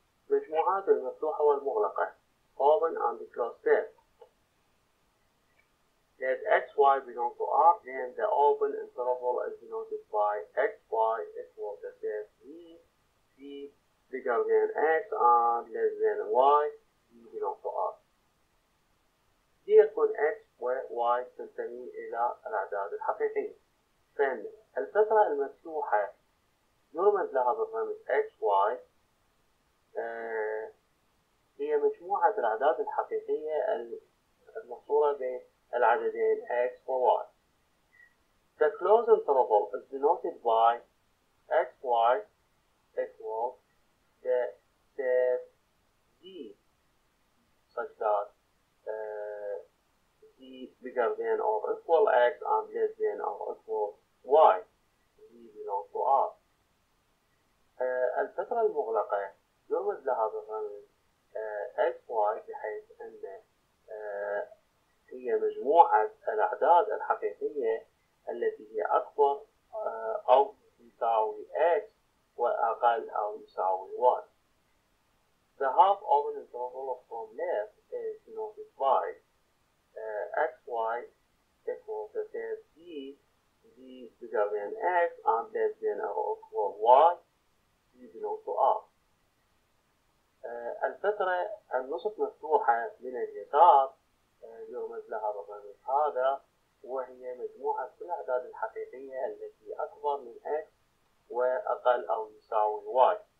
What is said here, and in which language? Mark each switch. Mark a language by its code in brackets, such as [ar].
[ar] مجموعات المفتوحة والمغلقة [en] open and closed set. Let x, y belong to R, then the open interval is denoted by x, y equals the set v, v bigger than x and less than y, v belong to R. [ar] ليكن x و y تنتمي إلى الأعداد الحقيقية. فإن الفترة المفتوحة يرمز لها بالرمز x, y هي مجموعة الأعداد الحقيقية المحصورة بين العددين x و y. [en] The closed interval is denoted by x, y equals the set d such that d bigger than or equal x and less than or equal y. D belongs to R. [ar] الفترة المغلقة يرمز لها بالرمز x, y بحيث أن هي مجموعة الأعداد الحقيقية التي هي أكبر أو يساوي x وأقل أو يساوي y. [en] The half open interval from left is denoted by x, y equals the set d, d bigger than x and less than or equal y, d belongs to R. [ar] الفترة النصف مفتوحة من اليسار يرمز لها بالرمز هذا، وهي مجموعة كل الأعداد الحقيقية التي أكبر من x وأقل أو يساوي y.